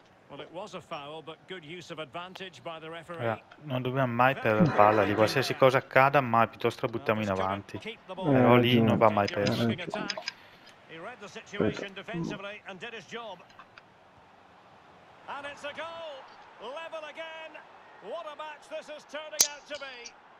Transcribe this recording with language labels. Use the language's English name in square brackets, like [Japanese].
[English] Well, it was a foul, but good use of advantage by the referee. [Italian] Non dobbiamo mai perdere la palla, di qualsiasi cosa accada, ma piuttosto la buttiamo in avanti. Però lì non va mai perso. [English] He read the situation defensively and did his job. And it's a goal. Level again. What a match this is turning out to be.